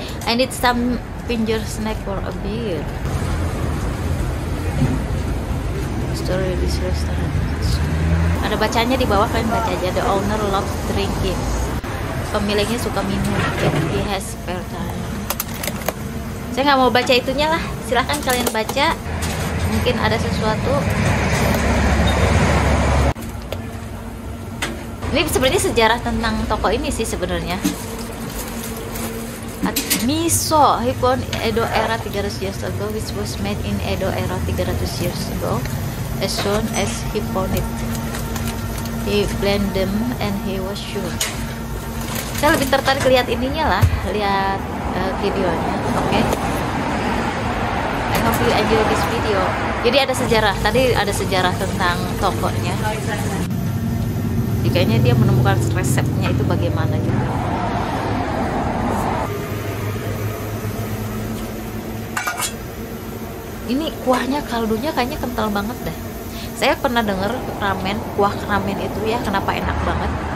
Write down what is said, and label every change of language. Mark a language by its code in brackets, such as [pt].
[en] I need some finger snack for a beer. Story of this restaurant. [id] Ada bacanya di bawah, kalian baca aja. [en] The owner loves drinking. [id] Pemiliknya suka minum. [en] He has spare time. [id] Saya nggak mau baca itunya lah. Silahkan kalian baca. Mungkin ada sesuatu. Ini sebenarnya sejarah tentang toko ini sih sebenarnya. [en] Miso, hipon Edo era 300 years ago, which was made in Edo era 300 years ago. As soon as he found it, he blend them and he was sure. [id] Saya lebih tertarik lihat ininya lah, lihat videonya. Oke. [en] Okay. I hope you enjoy this video. [id] Jadi ada sejarah, tadi ada sejarah tentang tokonya. Kayaknya dia menemukan resepnya itu bagaimana gitu. Ini kuahnya, kaldunya kayaknya kental banget deh. Saya pernah dengar ramen, kuah ramen itu ya kenapa enak banget.